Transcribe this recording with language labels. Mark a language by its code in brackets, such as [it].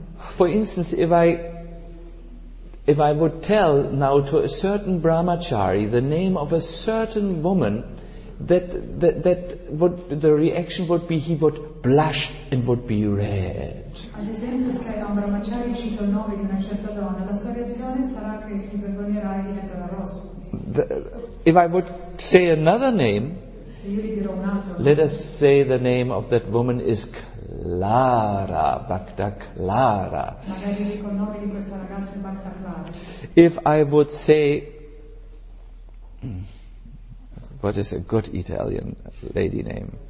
[en] For instance, if I would tell now to a certain brahmachari the name of a certain woman, that would, the reaction would be he would blush and would be red. [it] Ad esempio, se a un brahmachari cito il nome di una certa donna, la sua reazione sarà che si vergognerà e diventerà rosso. [en] If I would say another name, [it] se io gli dirò un altro, [en] let us say the name of that woman is Clara, Bhakta Clara. [it] Magari dico il nome di questa ragazza, Bhakta Clara. [en] If I would say, what is a good Italian lady name?